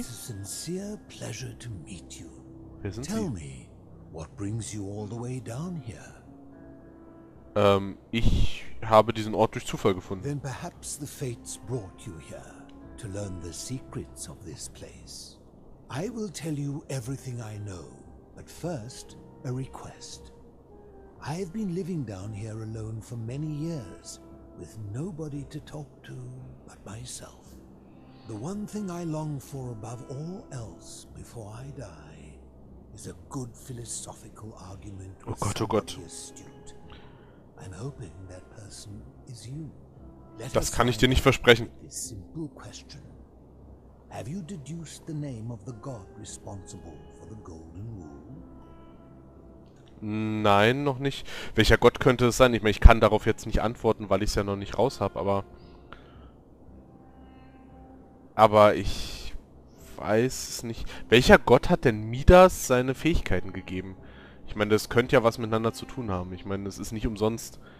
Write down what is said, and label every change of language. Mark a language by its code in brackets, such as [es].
[en] It's a sincere pleasure to meet you. [de] Wer sind Tell Sie? [en] Me. What brings you all the way down here? [de] Ich habe diesen Ort durch Zufall gefunden. [en] Then perhaps the fates brought you here to learn the secrets of this place. I will tell you everything I know, but first a request. I have been living down here alone for many years, with nobody to talk to but myself. The one thing I long for above all else before I die. Is a good philosophical argument with somebody astute. I'm hoping that person is you. [de] Das kann ich dir nicht versprechen. [en] This simple question. Have you deduced the name of the god responsible for the golden rule? [de] Nein, noch nicht. Welcher Gott könnte es sein? Ich meine, ich kann darauf jetzt nicht antworten, weil ich es ja noch nicht raus habe, aber... Aber ich... weiß es nicht. Welcher Gott hat denn Midas seine Fähigkeiten gegeben? Ich meine, das könnte ja was miteinander zu tun haben. Ich meine, es ist nicht umsonst...